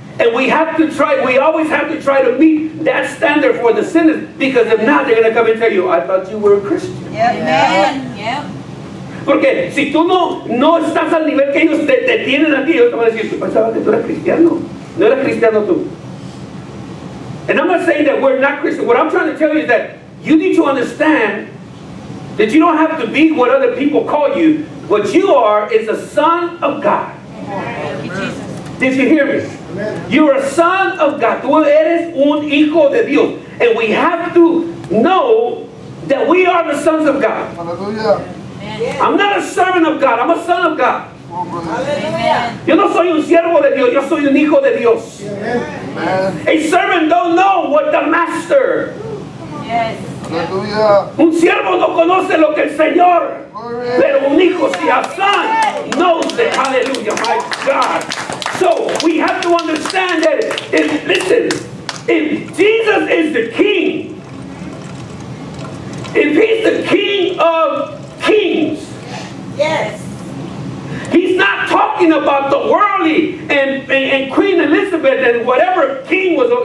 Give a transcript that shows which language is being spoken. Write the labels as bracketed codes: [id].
[en] And we always have to try to meet that standard for the sinners, because if not, they're going to come and tell you, I thought you were a Christian. Yeah. Yeah. [es] Porque si tú no estás al nivel que ellos te tienen a ti, ellos te van a decir, tú pensabas que tú eras cristiano. No eras cristiano tú. [en] And I'm not saying that we're not Christian. What I'm trying to tell you is that you need to understand That you don't have to be what other people call you. What you are is a son of God. Did you hear me? You're a son of God. [es] Tú eres un hijo de Dios. [en] And we have to know that we are the sons of God. Hallelujah. I'm not a servant of God. I'm a son of God. Hallelujah. [es] Yo no soy un siervo de Dios. Yo soy un hijo de Dios. [en] Amen. A servant don't know what the master. Hallelujah. [es] Un siervo no conoce lo que el Señor. Pero un hijo, si [en] a son, knows it. Hallelujah, my God. So we have to understand that if Jesus is the king, if he's the king of kings, yes, he's not talking about the worldly and Queen Elizabeth and whatever king was on.